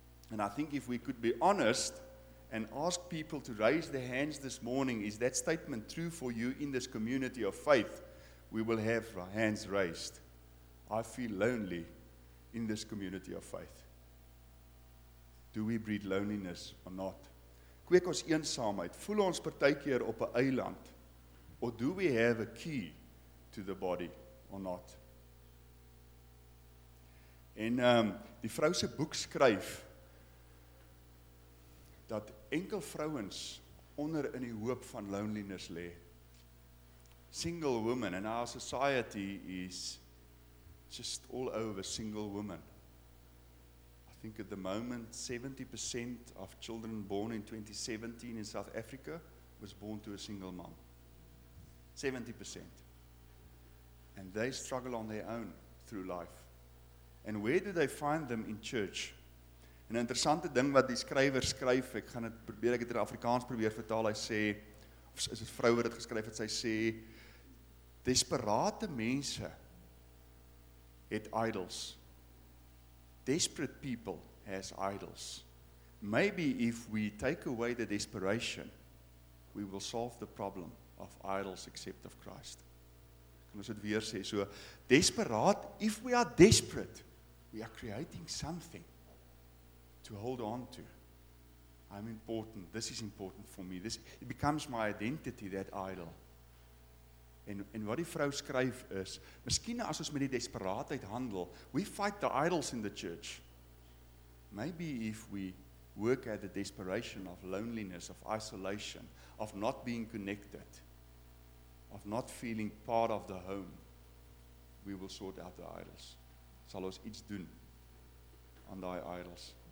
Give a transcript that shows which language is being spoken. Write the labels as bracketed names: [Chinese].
[English] And I think if we could be honest and ask people to raise their hands this morning, is that statement true for you in this community of faith? We will have our hands raised. I feel lonely in this community of faith. Do we breed loneliness or not? [Afrikaans] Kweek ons eensaamheid? Voel ons partykeer op 'n eiland? [English] Or do we have a key to the body or not? [Afrikaans] En die vrou se boek skryf dat enkel vrouens onder in die hoop van loneliness lê. [English] Single women in our society is just all over single women. I think at the moment 70% of children born in 2017 in South Africa was born to a single mom. 70%. And they struggle on their own through life. And where do they find them in church? [Afrikaans] En 'n interessante ding wat die skrywer skryf, ek gaan dit probeer, ek het dit in Afrikaans probeer vertaal, hy sê, of is dit vroue wat dit geskryf het, sy sê, desperate mense het idols. [English] Desperate people has idols. Maybe if we take away the desperation, we will solve the problem of idols except of Christ. [Afrikaans] Kan ons dit weer sê, so, [English] desperate, if we are desperate, we are creating something to hold on to. I'm important. This is important for me. This, it becomes my identity, that idol. [Afrikaans] En wat die vrou skryf is, miskien as ons met die desperaatheid handel, [English] we fight the idols in the church. Maybe if we work at the desperation of loneliness, of isolation, of not being connected, of not feeling part of the home, we will sort out the idols. [Afrikaans] Sal ons iets doen aan daai idols.